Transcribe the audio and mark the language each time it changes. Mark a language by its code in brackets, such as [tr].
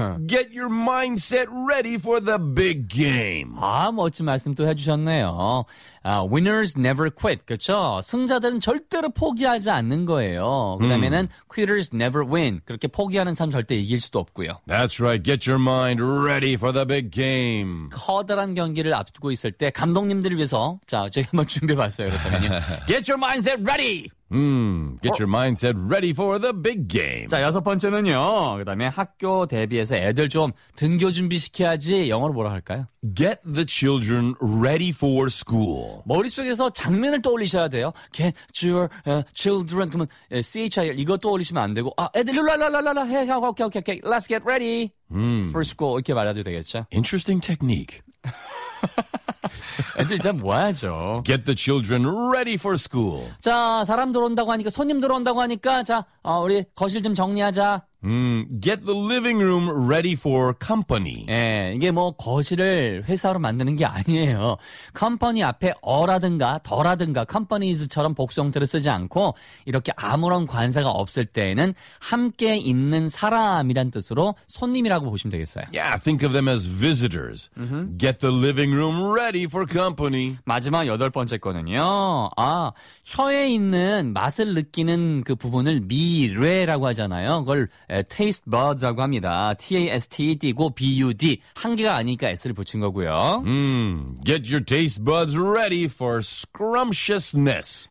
[en] Get your mindset ready for the big game. [ko] 멋진 말씀 또 해주셨네요. [en] Winners never quit. [ko] 그렇죠? 승자들은 절대로 포기하지 않는 거예요. 그다음에는 [en] quitters never win. [ko] 그렇게 포기하는 사람 절대 이길 수도 없고요. [en] That's right. Get your mind ready for the big game. [ko] 커다란 경기를 앞두고 있을 때 감독님들을 위해서 자, 저희 한번 준비해봤어요. 그렇다면요. [en] Get your mindset ready. Get your mindset ready for the big game. [ko] 자, 여섯 번째는요. 그 다음에 학교 대비해서 애들 좀 등교 준비시켜야지. 영어로 뭐라 할까요? [en] Get the children ready for school. [ko] 머릿속에서 장면을 떠올리셔야 돼요. Get your children. 그러면 CHIL 이거 떠올리시면 안 되고. 애들 룰랄랄랄라. 오케이. [en] Let's get ready for school. [ko] 이렇게 말해도 되겠죠? [en] Interesting technique. [ko] 애들 일단 모아야죠. [en] Get the children ready for school. [ko] 자, 사람 들어온다고 하니까, 손님 들어온다고 하니까, 자, 우리 거실 좀 정리하자. [en] Get the living room ready for company. [ko] 예, 이게 뭐 거실을 회사로 만드는 게 아니에요. Company 앞에 어라든가 더라든가 companies처럼 복수형태를 쓰지 않고 이렇게 아무런 관사가 없을 때에는 함께 있는 사람이란 뜻으로 손님이라고 보시면 되겠어요. [en] Yeah, think of them as visitors. Get the living room ready for company. [ko] 마지막 여덟 번째 거는요. 혀에 있는 맛을 느끼는 그 부분을 미뢰라고 하잖아요. 그걸 taste buds라고 합니다. T-A-S-T-E-D고 B-U-D. 한 개가 아니니까 S를 붙인 거고요. [en] Get your taste buds ready for scrumptiousness.